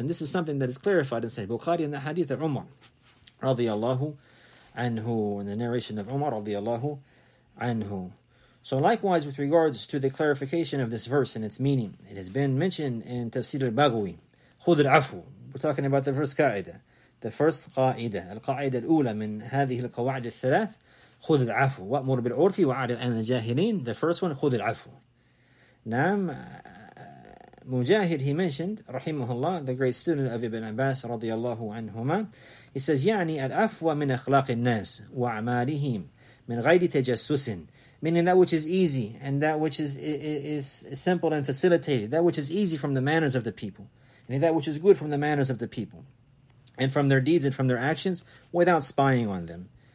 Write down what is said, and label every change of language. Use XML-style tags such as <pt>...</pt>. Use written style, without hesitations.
<en>And this is something that is clarified in Sahih Bukhari in the hadith of Umar, radiyallahu anhu, in the narration of Umar, radiyallahu anhu. So likewise, with regards to the clarification of this verse and its meaning, it has been mentioned in Tafsir al-Baghawi,</en> <ar>خُذِ الْعَفُوُ.</ar> <en>We're talking about the first qa'ida. The first qa'ida, al-qa'ida al-ula min</en> <ar>هذه القواعد الثلاث, خُذِ الْعَفُوُ. وَأْمُرْ بِالْعُرْفِ وَعَدِ الْأَنَّ الْجَاهِلِينَ.</ar> <en>The first one,</en> <ar>خُذِ الْعَفُوُ.</ar> <en>Naam, Mujahid, he mentioned, rahimahullah, the great student of Ibn Abbas, radiyallahu anhuma, he says,</en> <ar>يعني الْعَفْوَ مِنْ أَخْلَاقِ النَّاسِ وَعَمَالِهِمْ مِنْ غَيْرِ تَجَسُّسٍ.</ar> <en>Meaning that which is easy, and that which is simple and facilitated, that which is easy from the manners of the people, and that which is good from the manners of the people, and from their deeds and from their actions, without spying on them.</en>